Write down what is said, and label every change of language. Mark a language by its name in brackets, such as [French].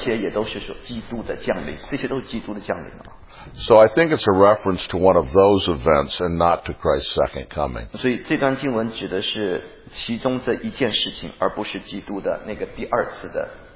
[Chinese] 在圣经里头也论到这些，也都是说基督的降临，这些都是基督的降临了。 [English] So I think it's a reference to one of those events and not to Christ's second coming. [Chinese] 所以这段经文指的是其中这一件事情，而不是基督的那个第二次的。